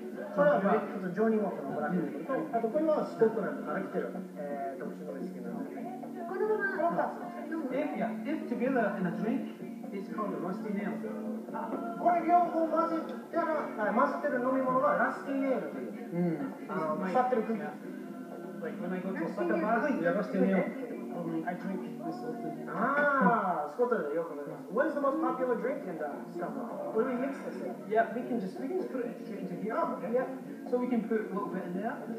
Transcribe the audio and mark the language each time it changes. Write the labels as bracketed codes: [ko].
[ja] これはジョニー・ウォークのブラックと、あとこれはスコットランドから来てる特殊のウイスキーなので、このまま、このま、 [en] if together in a drink, it's called Rusty Nail. [ja] これ両方混ぜたら、混ぜてる飲み物は Rusty Nail という、腐ってる空気。 [en] Like when I go to a bar, Rusty Nail, I drink this. [ja] スコットランドでよく飲みます。 [en] What is the most popular drink in the summer? When we mix this in? Yeah, we can just put it into here. Oh, okay. Yeah. So we can put a little bit in there.